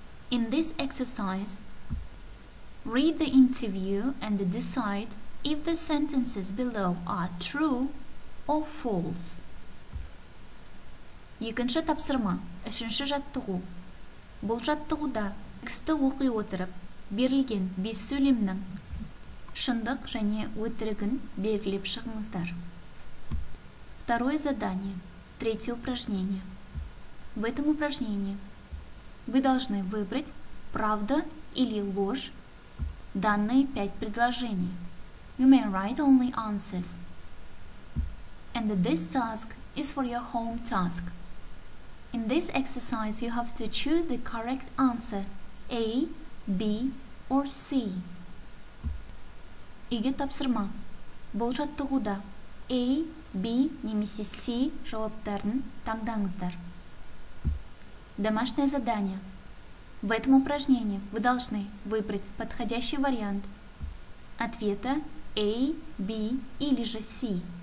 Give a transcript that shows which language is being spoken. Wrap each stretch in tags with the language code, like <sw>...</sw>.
<en>In this exercise, read the interview and decide if the sentences below are true or false.</en> <kk>Екінші тапсырма. Үшінші жаттығу. Бұл жаттығуда тексті оқи отырып, берілген бес сөйлемнің шындық және өтірігін белгілеп шығыңыздар.</kk> <ru>Второе задание. Третье упражнение. В этом упражнении вы должны выбрать правда или ложь данные пять предложений.</ru> <en>You may write only answers. And this task is for your home task. In this exercise, you have to choose the correct answer A, B or C.</en> <kk>Игі тапсырма. Бұл жаттығуда A, B немесе C жауаптарын таңдаңыздар.</kk> <ru>Домашнее задание. В этом упражнении вы должны выбрать подходящий вариант ответа A, B или же C.</ru>